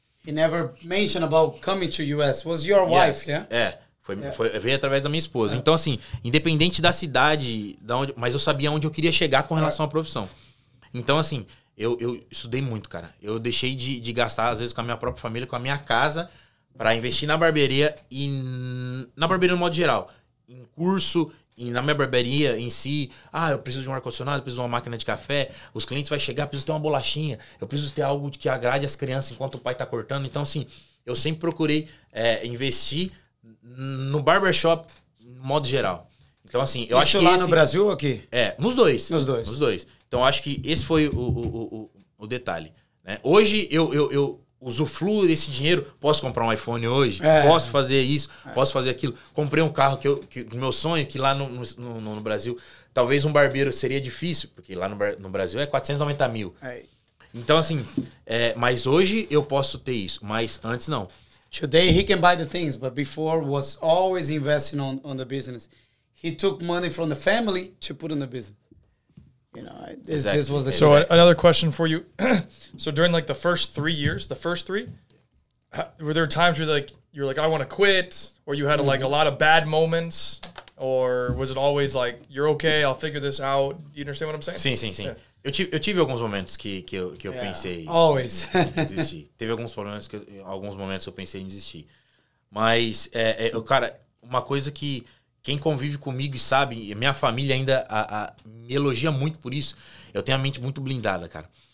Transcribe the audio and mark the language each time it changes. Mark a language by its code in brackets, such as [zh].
[en] He never mentioned about coming to US. Was your wife, yeah? [pt] Veio através da minha esposa. É. Então, assim, independente da cidade, mas eu sabia onde eu queria chegar com relação à profissão. Então, assim, eu estudei muito, cara. Eu deixei de gastar, às vezes, com a minha própria família, com a minha casa, pra investir na barbearia e na barbearia no modo geral. Em curso, na minha barbearia em si. Ah, eu preciso de um ar-condicionado, preciso de uma máquina de café. Os clientes vão chegar, preciso ter uma bolachinha. Eu preciso ter algo que agrade as crianças enquanto o pai tá cortando. Então, assim, eu sempre procurei investir no barbershop, no modo geral. Então, assim, eu acho que... Isso lá no Brasil ou aqui? Nos dois. Então, eu acho que esse foi o detalhe. Né? Hoje, eu usufruo desse dinheiro. Posso comprar um iPhone hoje? Posso fazer isso? Posso fazer aquilo? Comprei um carro que o meu sonho, que lá no Brasil, talvez um barbeiro seria difícil, porque lá no Brasil é 490 mil. Então, assim, mas hoje eu posso ter isso. Mas antes, não. [en] Today he can buy the things, but before was always investing on the business. He took money from the family to put in the business. You know, this was the case. So another question for you. So during like the first three years, were there times where you're like, I want to quit, or you had like a lot of bad moments, or was it always like, you're okay, I'll figure this out? You understand what I'm saying? [pt] Sim. Yeah. Eu tive alguns momentos que eu pensei [en] always [pt] em desistir. Teve alguns momentos que eu pensei em desistir. Mas, cara, uma coisa que quem convive comigo e sabe, minha família ainda me elogia muito por isso, eu tenho a mente muito blindada, cara.